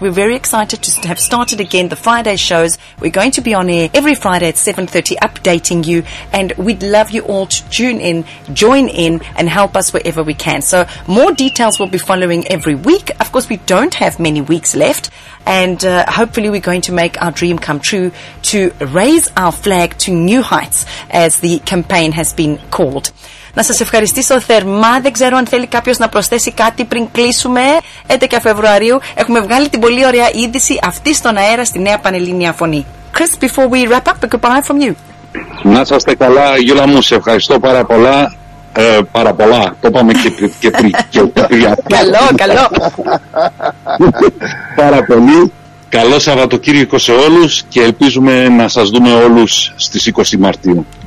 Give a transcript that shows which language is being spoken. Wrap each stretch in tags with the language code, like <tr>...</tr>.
<en>We're very excited to have started again the Friday shows. We're going to be on air every Friday at 7:30 updating you, and we'd love you all to tune in, join in, and help us wherever we can. So more details will be following every week. Of course, we don't have many weeks left, and hopefully we're going to make our dream come true to raise our flag to new heights, as the campaign has been called.</en> <el>Να σας ευχαριστήσω θερμά. Δεν ξέρω αν θέλει κάποιος να προσθέσει κάτι πριν κλείσουμε. 11 Φεβρουαρίου έχουμε βγάλει την πολύ ωραία είδηση αυτή στον αέρα στη Νέα Πανελλήνια Φωνή.</el> <en>Chris, before we wrap up, a goodbye from you.</en> <el>Να είστε καλά, Γιούλα μου, σε ευχαριστώ πάρα πολλά. πάρα πολλά. Το είπαμε και πριν. Καλό, καλό. Πάρα πολύ. Καλό Σαββατοκύριακο σε όλους και ελπίζουμε να σας δούμε όλους στις 20 Μαρτίου.</el>